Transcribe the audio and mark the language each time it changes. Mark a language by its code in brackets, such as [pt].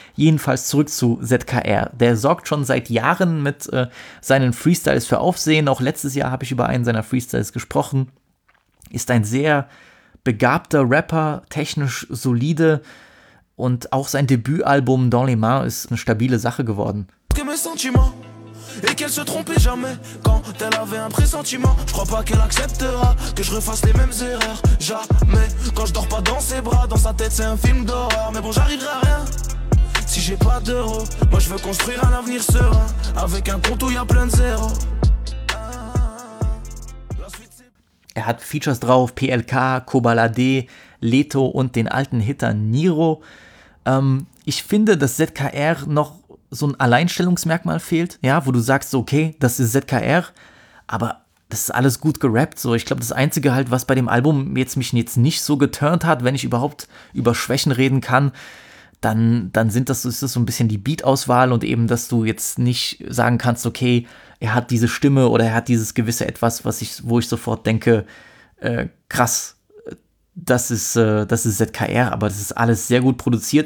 [de] Jedenfalls zurück zu ZKR. Der sorgt schon seit Jahren mit seinen Freestyles für Aufsehen. Auch letztes Jahr habe ich über einen seiner Freestyles gesprochen. Ist ein sehr begabter Rapper, technisch solide. Und auch sein Debütalbum Dans les Mains ist eine stabile Sache geworden. [fr] Et qu'elle se trompait jamais quand elle avait un pressentiment. Je crois pas qu'elle acceptera que je refasse les mêmes erreurs. Jamais quand je dors pas dans ses bras, dans sa tête c'est un film d'horreur. Mais bon, j'arriverai à rien si j'ai pas d'euros. Moi je veux construire un avenir serein avec un compte où il y a plein de zéros. [de] Er hat Features drauf: PLK, Kobalade, Leto und den alten Hitter Niro. Ich finde, dass ZKR noch so ein Alleinstellungsmerkmal fehlt, ja, wo du sagst, okay, das ist ZKR, aber das ist alles gut gerappt, so, ich glaube, das Einzige halt, was bei dem Album jetzt mich jetzt nicht so geturnt hat, wenn ich überhaupt über Schwächen reden kann, dann sind das, ist das so ein bisschen die Beat-Auswahl und eben, dass du jetzt nicht sagen kannst, okay, er hat diese Stimme oder er hat dieses gewisse Etwas, wo ich sofort denke, krass, das ist ZKR, aber das ist alles sehr gut produziert.